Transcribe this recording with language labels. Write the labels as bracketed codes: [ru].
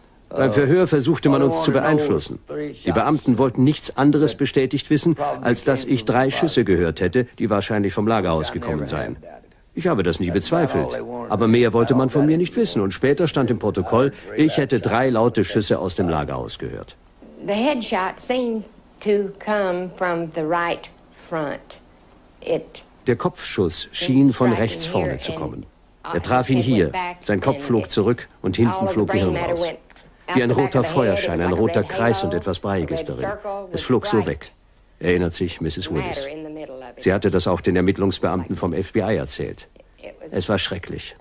[de] beim Verhör versuchte man uns zu beeinflussen. Die Beamten wollten nichts anderes bestätigt wissen, als dass ich 3 Schüsse gehört hätte, die wahrscheinlich vom Lager ausgekommen seien. Ich habe das nie bezweifelt. Aber mehr wollte man von mir nicht wissen. Und später stand im Protokoll, ich hätte 3 laute Schüsse aus dem Lager ausgehört. [en] The headshot seemed to come from the right front. [de] Der Kopfschuss schien von rechts vorne zu kommen. Er traf ihn hier. Sein Kopf flog zurück und hinten flog Gehirn raus. Wie ein roter Feuerschein, ein roter Kreis und etwas Breiiges darin. Es flog so weg, erinnert sich Mrs. Willis. Sie hatte das auch den Ermittlungsbeamten vom FBI erzählt. Es war schrecklich.